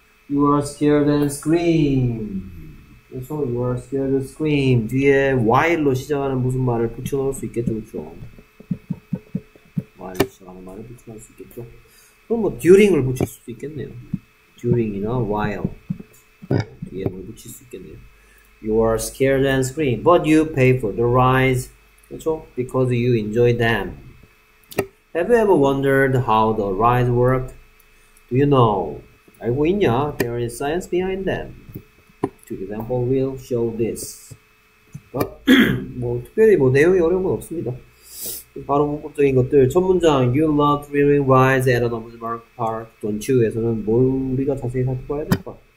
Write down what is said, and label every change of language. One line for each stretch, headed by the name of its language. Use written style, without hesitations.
English: You are scared and scream.
Korean: 그래서,
English: you are scared and scream.
Korean: 뒤에 while로 시작하는 무슨 말을 붙여넣을 수 있겠죠, 그쵸? while로 시작하는 말을 붙여넣을 수 있겠죠? 그럼 뭐, during을 붙일 수도 있겠네요. during이나 while. 뒤에 뭘 붙일 수 있겠네요.
English: You are scared and scream, but you pay for the rides.
Korean: 그렇죠?
English: Because you enjoy them. Have you ever wondered how the rides work? Do you know?
Korean: 알고 있냐?
English: There is science behind them. To example, we'll show this.
Korean: 뭐 특별히 뭐 내용이 어려운 건 없습니다. 바로 문법적인 것들. 첫 문장,
English: You love thrilling rides at an amusement park, don't you?
Korean: 에서는 뭘 우리가 자세히 살펴봐야 될까?